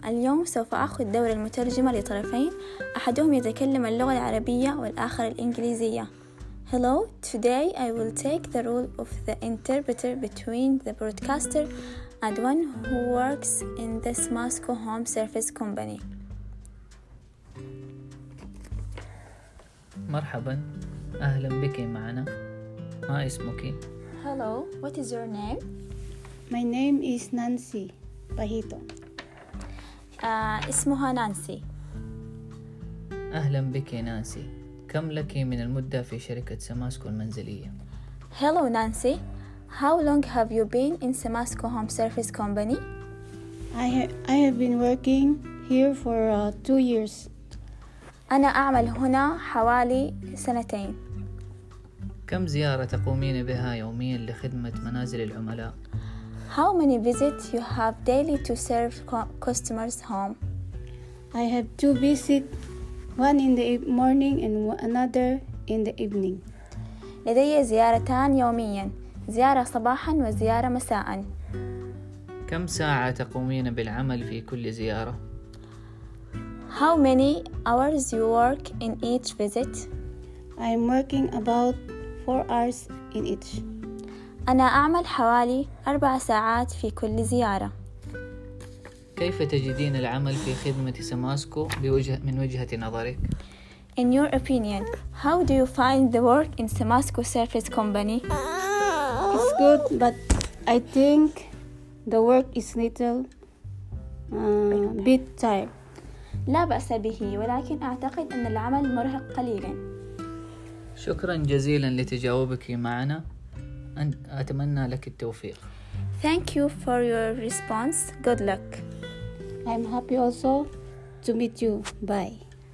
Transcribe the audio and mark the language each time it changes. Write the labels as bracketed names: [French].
[Arabic] اليوم سوف أخذ دور المترجمة لطرفين، أحدهم يتكلم اللغة العربية والآخر الإنجليزية. [English] Hello, today I will take the role of the interpreter between the broadcaster and one who works in this Moscow home service company. [Arabic] مرحبا، أهلا بك معنا. ما اسمك؟ [English] Hello, what is your name? My name is Nancy Bahito. [Arabic] اسمها نانسي. أهلا بك نانسي، كم لك من المدة في شركة سماسكو المنزلية؟ [English] Hello Nancy, how long have you been in Samasco Home Service Company? I have been working here for 2 years. [Arabic] أنا أعمل هنا حوالي سنتين. كم زيارة تقومين بها يوميا لخدمة منازل العملاء؟ [English] How many visits you have daily to serve customers home? I have 2 visits, one in the morning and another in the evening. [Arabic] لدي زيارتان يوميا، زيارة صباحا وزيارة مساء. كم ساعة تقومين بالعمل في كل زيارة؟ [English] How many hours you work in each visit? I'm working about 4 hours in each. [Arabic] أنا أعمل حوالي 4 ساعات في كل زيارة. كيف تجدين العمل في خدمة سماسكو من وجهة نظرك؟ [English] In your opinion, how do you find the work in Samasco Service Company? It's good, but I think the work is little bit tired. [Arabic] لا بأس به، ولكن أعتقد أن العمل مرهق قليلا. شكرا جزيلا لتجاوبك معنا. أتمنى لك التوفيق. [English] Thank you for your response. Good luck. I'm happy also to meet you. Bye.